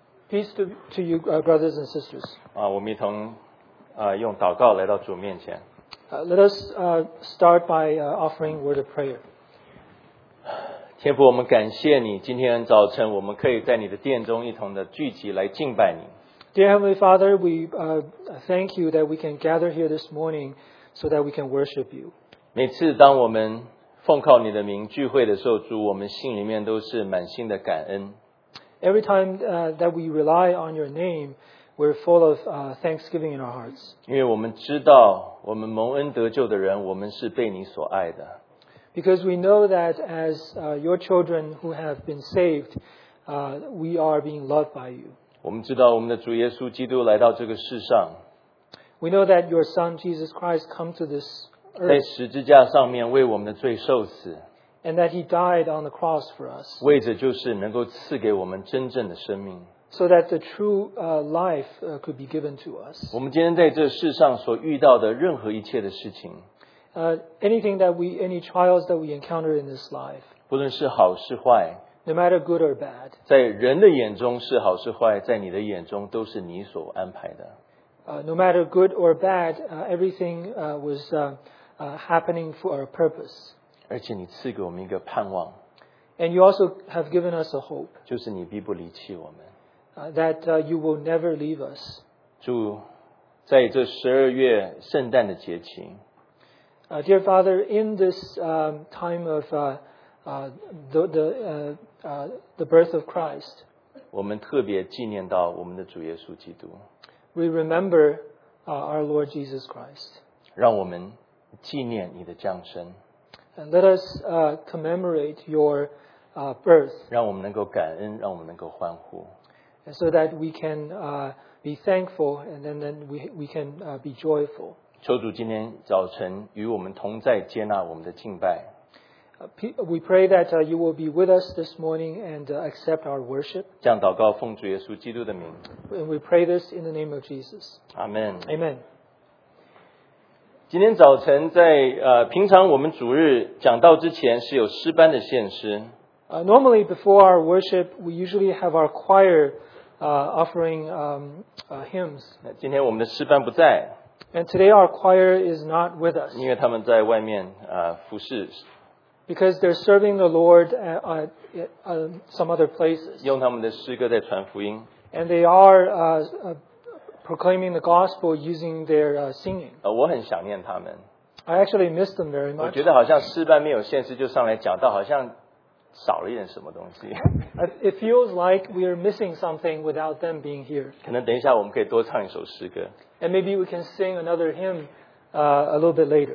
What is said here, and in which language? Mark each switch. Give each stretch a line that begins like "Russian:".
English: Peace to you, brothers and sisters.
Chinese: 我们一同用祷告来到主面前。
English: Let us start by offering word of prayer.
Chinese: 天父，我们感谢你，今天早晨我们可以在你的殿中一同的聚集来敬拜你。
English: Dear Heavenly Father, we thank you that we can gather here this morning so that we can worship you.
Chinese: 每次当我们奉靠你的名聚会的时候，主，我们心里面都是满心的感恩。
English: Every time that we rely on your name, we're full of thanksgiving in our hearts.
Chinese: 因为我们知道，我们蒙恩得救的人，我们是被你所爱的。
English: Because we know that as your children who have been saved, we are being loved by you.
Chinese: 我们知道我们的主耶稣基督来到这个世上。
English: We know that your Son Jesus Christ come to this earth.
Chinese: 在十字架上面为我们的罪受死。
English: And that he died on the cross for us.
Chinese: 为着就是能够赐给我们真正的生命。
English: So that the true life could be given to us.
Chinese: 我们今天在这世上所遇到的任何一切的事情。
English: Anything that we, any trials that we encounter in this life.
Chinese: 不论是好是坏。
English: No matter good or bad.
Chinese: 在人的眼中是好是坏，在你的眼中都是你所安排的。
English: No matter good or bad, everything was happening for our purpose.
Chinese: 而且你赐给我们一个盼望。
English: And you also have given us a hope.
Chinese: 就是你必不离弃我们。
English: That you will never leave us.
Chinese: 主，在这十二月圣诞的节期。
English: Dear Father, in this time of the birth of Christ,
Chinese: 我们特别纪念到我们的主耶稣基督。
English: We remember our Lord Jesus Christ.
Chinese: 让我们纪念你的降生。
English: And let us commemorate your birth.
Chinese: 让我们能够感恩，让我们能够欢呼。
English: And so that we can be thankful, and then we can be joyful.
Chinese: 求主今天早晨与我们同在，接纳我们的敬拜。
English: We pray that you will be with us this morning and accept our worship.
Chinese: 这样祷告奉主耶稣基督的名。
English: And we pray this in the name of Jesus. Amen. Amen.
Chinese: 今天早晨在平常我们主日讲道之前是有诗班的献诗。
English: Normally before our worship, we usually have our choir offering hymns.
Chinese: 今天我们的诗班不在。
English: And today our choir is not with us.
Chinese: 因为他们在外面服侍。
English: Because they're serving the Lord at some other places.
Chinese: 用他们的诗歌在传福音。
English: And they are proclaiming the gospel using their singing.
Chinese: 我很想念他们。
English: I actually miss them very much.
Chinese: 我觉得好像诗班没有献诗就上来讲道，好像少了一点什么东西。
English: It feels like we are missing something without them being here.
Chinese: 可能等一下我们可以多唱一首诗歌。
English: And maybe we can sing another hymn a little bit later.